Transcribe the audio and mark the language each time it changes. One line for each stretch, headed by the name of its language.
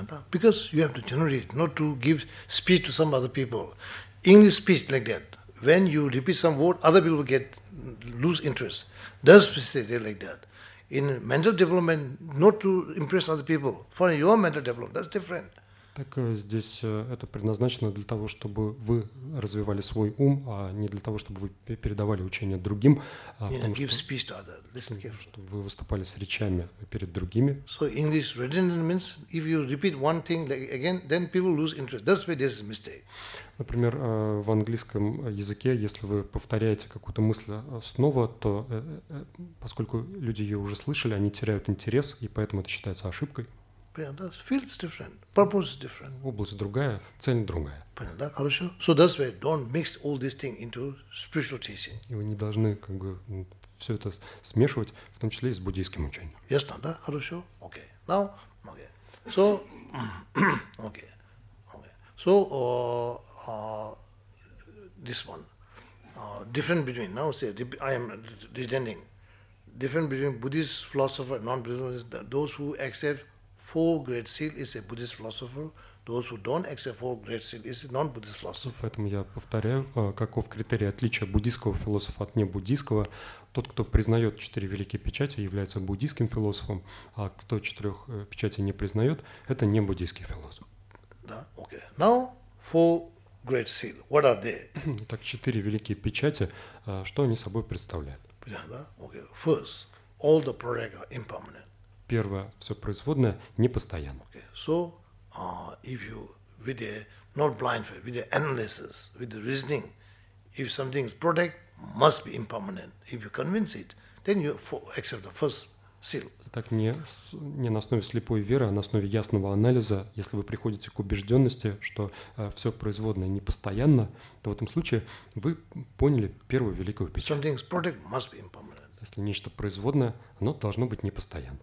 English: Because you have to generate, not to give speech to some other people. English speech like that. When you repeat some word, other people get lose interest. Does say like that. In mental development, not to impress other people. For your mental development, that's different.
Russian: Так здесь это предназначено для того, чтобы вы развивали свой ум, а не для того, чтобы вы передавали учение другим. Чтобы вы выступали с речами перед другими.
English: So English redundant means if you repeat one thing like again, then people lose interest. That's why this is a mistake.
Russian: Например, в английском языке, если вы повторяете какую-то мысль снова, то поскольку люди ее уже слышали, они теряют интерес, и поэтому это считается ошибкой.
English: Понятно? Field is different, purpose is different.
Russian: Область другая, цель другая. Понятно? Хорошо.
English: So that's why don't mix all these things into spiritual teaching.
Russian: И вы не должны как бы все это смешивать, в том числе и с буддийским учением. Ясно, да? Хорошо.
English: Okay. Now, okay. So, okay. Okay. So, this one. Different between. Now say, I am redundant. Different between Buddhist philosopher, non-Buddhist, those who accept four great seal is a Buddhist philosopher. Those who don't accept four great seal is a non-Buddhist philosopher.
Russian: Поэтому я повторяю, каков критерий отличия буддийского философа от небуддийского. Тот, кто признает четыре великие печати, является буддийским философом, а кто четырех печати не признает, это не буддийский философ.
English: Да, okay. Now four great seal. What are they?
Russian: Так четыре великие печати, что они собой представляют?
English: Да, okay. First, all the prarega impermanent.
Russian: Первое, все производное непостоянно.
English: Okay. So, if you with a not blind faith, with the analysis, with the reasoning, if something is product, must be impermanent. If you convince it, then you accept the first seal.
Russian: Так не на основе слепой веры, а на основе ясного анализа, если вы приходите к убежденности, что все производное непостоянно, то в этом случае вы поняли первую великую печать.
English: Something is product, must be impermanent.
Russian: Если нечто производное, оно должно быть непостоянно.